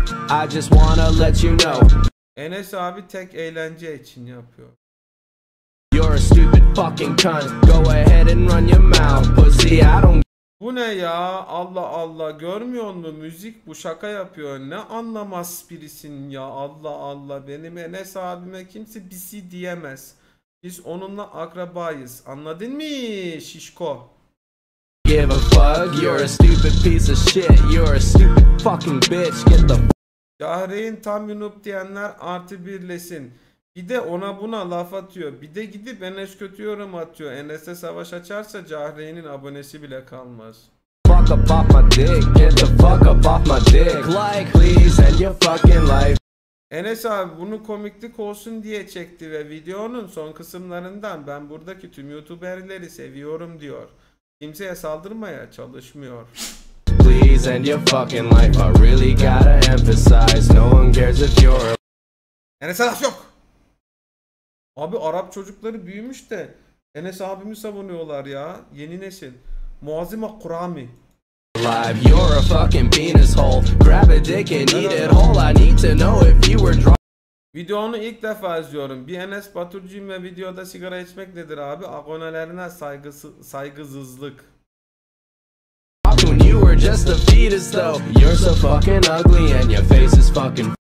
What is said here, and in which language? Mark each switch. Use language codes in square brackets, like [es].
[en] I just wanna let you know. [tr] Enes abi tek eğlence için yapıyor. [en] You're a stupid fucking cunt. Go ahead and run your mouth, pussy. I don't. [tr] Bu ne ya? Allah Allah, görmüyor musun? Müzik bu, şaka yapıyor. Ne anlamaz birisin ya? Allah Allah, benim Enes abime kimse bir şey diyemez. Biz onunla akrabayız. Anladın mı şişko? [en] Give a fuck, you're a stupid piece of shit. You're a stupid fucking bitch. Get the. [tr] Yahreyn tam yunup diyenler artı birlesin. Bir de ona buna laf atıyor. Bir de gidip Enes kötü yorum atıyor. Enes'e savaş açarsa Cahreyn'in abonesi bile kalmaz. [en] Fuck up off my dick. Get the fuck up off my dick. Like please end your fucking life. [tr] Enes abi bunu komiklik olsun diye çekti ve videonun son kısımlarından ben buradaki tüm youtuberleri seviyorum diyor. Kimseye saldırmaya çalışmıyor. [en] Please end your fucking life. I really gotta emphasize. No one cares if you're. [tr] Enes'e laf yok. Abi Arap çocukları büyümüş de Enes abimi savunuyorlar ya. Yeni nesil. Muazzima Kurami. [en] Live, you're a fucking penis hole. Grab a dick and eat it whole. I need to know if you were drunk. [tr] Videonu ilk defa izliyorum. Bir Enes Baturcuyum ve videoda sigara içmek nedir abi? Abonelerine saygısızlık. [en] You were just a fetus though. You're so fucking ugly and your face is fucking.